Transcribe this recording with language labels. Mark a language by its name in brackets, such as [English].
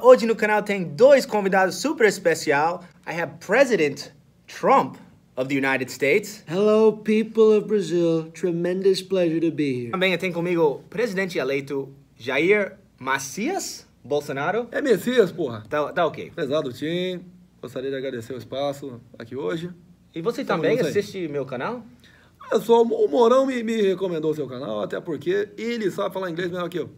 [Portuguese] Hoje no canal tem dois convidados super especial. [English] I have President Trump of the United States. Hello, people of Brazil. Tremendous pleasure to be here. [Portuguese] Também tem comigo presidente eleito Jair Messias Bolsonaro. É Messias, porra. Tá ok. Pesado, Tim. Gostaria de agradecer o espaço aqui hoje. E você também assiste meu canal? É só o Morão me recomendou o seu canal, até porque ele sabe falar inglês melhor que eu.